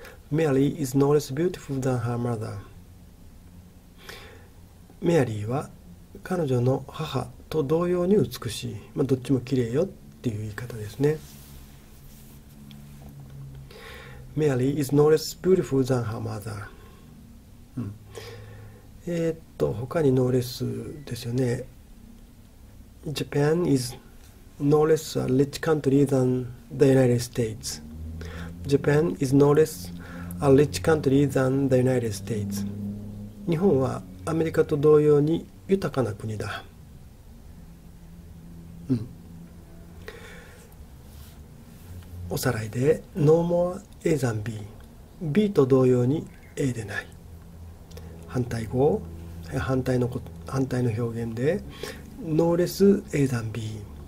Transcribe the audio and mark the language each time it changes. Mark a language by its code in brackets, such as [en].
[en] メアリー is no less beautiful than her mother. [ja] メアリーは彼女の母と同様に美しい。まあ、どっちも綺麗よっていう言い方ですね。 [en] メアリー is no less beautiful than her mother. [ja] 他にノーレスですよね。 [en] Japan is no less a rich country than the United States. Japan is no less a rich country than the United States. [ja] 日本はアメリカと同様に豊かな国だ。おさらいで、 [en] No more A than B。 [ja] B と同様に A でない。反対の表現で、ノーレス A ザン B。